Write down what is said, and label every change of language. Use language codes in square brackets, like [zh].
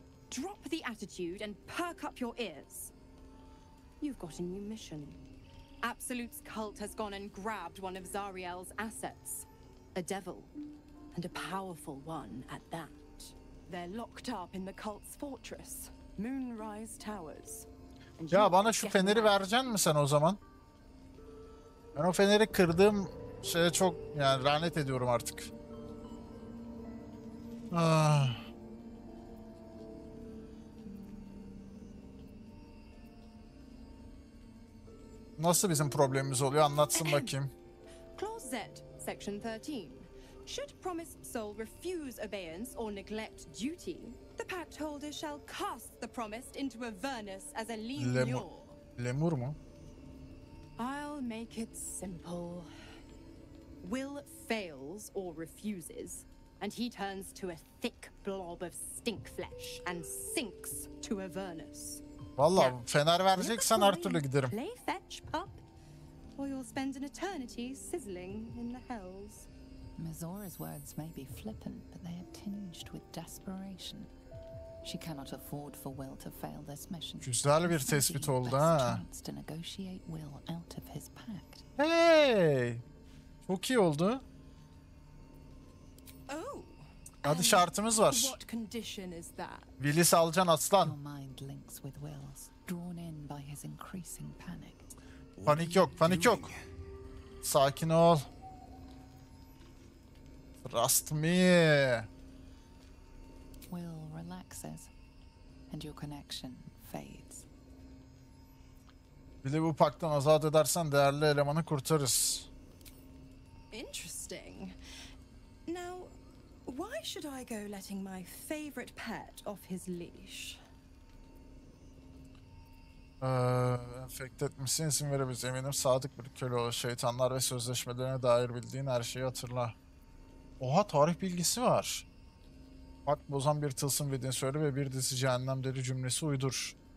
[en] Drop the attitude and perk up your ears. You've got a new mission. Absolute's cult has gone and grabbed one of Zariel's assets. A devil. And a powerful one at that. They're locked up in the cult's fortress, Moonrise Towers. [tr] And ya bana şu feneri vereceksin mi sen o zaman? Ben o feneri kırdığım şeye çok yani lanet ediyorum artık. Nasıl bizim problemimiz oluyor? Anlatsın bakayım. [en] Closet, section 13. Should promised soul refuse obeyance or neglect duty, the pact holder shall cast the promised into Avernus as a lemur. [tr] Lemur mu? [en] I'll make it simple. Will fails or refuses, and he turns to a thick blob of stink flesh and sinks to Avernus. [tr] Valla fener vereceksen her türlü giderim. [en] Play fetch, pup, or you'll spend an eternity sizzling in the hells. Mizora's words may be flippant, but they are tinged with desperation. She cannot afford for Will to fail this mission. [tr] Güzel bir tespit oldu ha. [en] Chance to negotiate Will out of his pact. [tr] Hey, çok iyi oldu. Hadi şartımız var. [en] What condition is that? [tr] Willis alacaksın aslan. [en] Your mind links with Will's, drawn in by his increasing panic. [tr] Panik yok, panik yok. Sakin ol. [en] Trust me. Will relaxes and your connection fades. [tr] Willi bu paktan azat edersen değerli elemanı kurtarırız. [en] Interesting. Now why should I go letting my favorite pet off his leash? [tr] Enfekte etmişsin, isim verebiliriz. Eminim sadık bir köle olur. Şeytanlar ve sözleşmelerine dair bildiğin her şeyi hatırla. Oha, tarih bilgisi var. Bak, bozan bir tılsım bildiğini söyle ve bir dizi cehennem deli cümlesi uydur.